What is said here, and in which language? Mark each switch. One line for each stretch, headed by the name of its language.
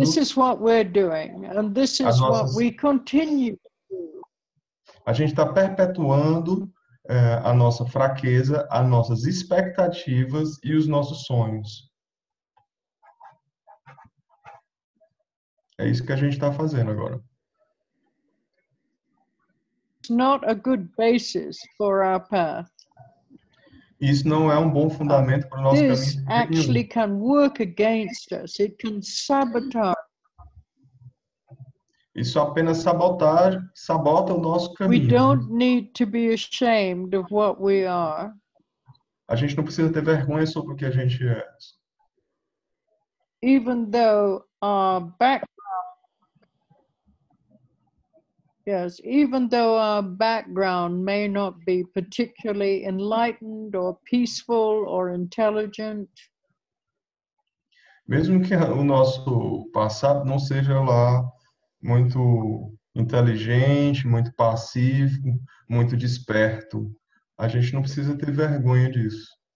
English: This is what we're doing, and this is what we continue to do.
Portuguese: A gente está perpetuando a nossa fraqueza, as nossas expectativas e os nossos sonhos. É isso que a gente está fazendo agora.
English: It's not a good basis for our path.
Portuguese: Isso não é bom fundamento para o nosso caminho.
English: This actually can work against us. It can sabotage.
Portuguese: Isso apenas sabota o nosso caminho.
English: We don't need to be ashamed of what we are.
Portuguese: A gente não precisa ter vergonha sobre o que a gente é.
English: Even though our background Yes, even though our background may not be particularly enlightened or peaceful or intelligent.
Portuguese: Mesmo que o nosso passado não seja lá muito inteligente, muito pacífico, muito desperto, a gente não precisa ter vergonha disso.